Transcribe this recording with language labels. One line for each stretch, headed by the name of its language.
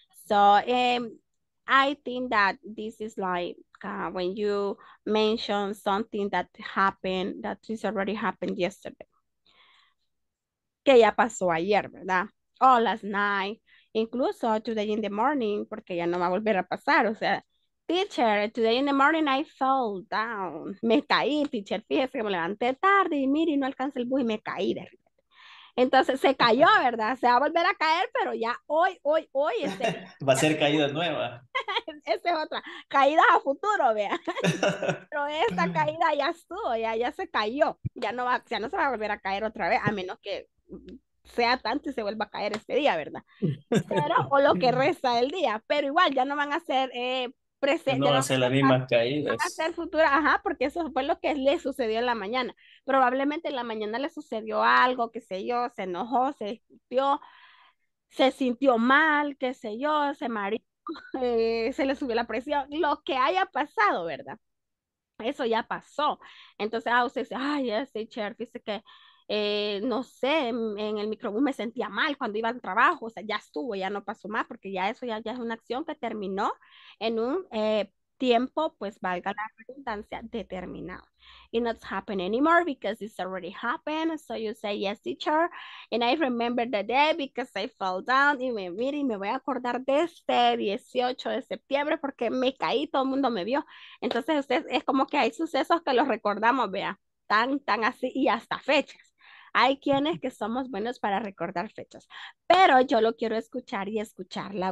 English: So I think that this is like when you mention something that happened, that has already happened yesterday.
Spanish: Que ya pasó ayer, ¿verdad?
English: Oh, last night,
Spanish: incluso
English: today in the morning,
Spanish: porque ya no va a volver a pasar, o sea.
English: Teacher, today in the morning I fell down.
Spanish: Me caí, teacher. Fíjese que me levanté tarde y mire, no alcancé el bus y me caí de repente. Entonces se cayó, ¿verdad? Se va a volver a caer, pero ya hoy, ese día. Va a ser caída nueva. Esa es otra. Caídas a futuro, vea. Pero esta caída ya estuvo, ya se cayó. Ya no se va a volver a caer otra vez, a menos que sea tanto y se vuelva a caer este día, ¿verdad? Pero, o lo que resta del día. Pero igual, ya no van a ser. No Ya van a no ser las mismas van a caídas. ser futuras, ajá, porque eso fue lo que le sucedió en la mañana. Probablemente en la mañana le sucedió algo, qué sé yo, se enojó, se sintió, mal, qué sé yo, se mareó, se le subió la presión, lo que haya pasado, ¿verdad? Eso ya pasó. Entonces, ah, usted dice, ay, yes, teacher, dice que, no sé, en el microbús me sentía mal cuando iba al trabajo, o sea, ya estuvo, ya no pasó más, porque ya eso ya es una acción que terminó en un tiempo, pues valga la redundancia, determinado.
English: It not happen anymore because it's already happened. So you say, yes, teacher. And I remember the day because I fell down.
Spanish: Y me mire y me voy a acordar de este 18 de septiembre porque me caí, todo el mundo me vio. Entonces usted, es como que hay sucesos que los recordamos, vea, tan así y hasta fechas. Hay quienes que somos buenos para recordar fechas, pero yo lo quiero escuchar y escucharla.